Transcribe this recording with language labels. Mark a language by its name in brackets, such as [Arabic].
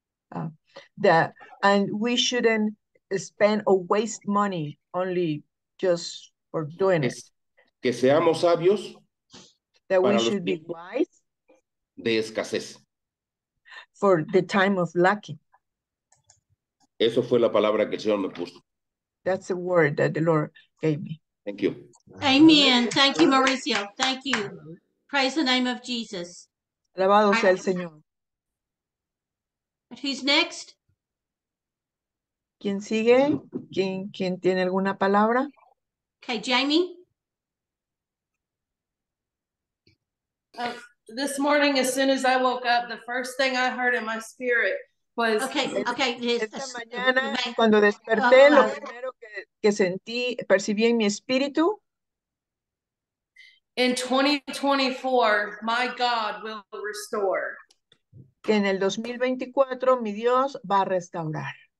[English] And we shouldn't spend or waste money only just for doing it. [Spanish] Que seamos sabios. [English] That we should be wise. [Spanish] De escasez. [English] For the time of lacking. [Spanish] Eso fue la palabra que el Señor me puso. [English] That's the word that the Lord gave me. Thank you. Amen. Thank you, Mauricio. Thank you. Praise the name of Jesus. [Spanish] Alabado sea el Señor. [English] Who's next? [Spanish] ¿Quién sigue? ¿Quién tiene alguna palabra? [English] Okay, Jamie. This morning, as soon as I woke up, the first thing I heard in my spirit was... Okay. [Spanish] Esta mañana, cuando desperté, lo primero que sentí, percibí en mi espíritu... [English] In 2024, my God will restore. [Spanish] Que en el 2024, mi Dios va a restaurar.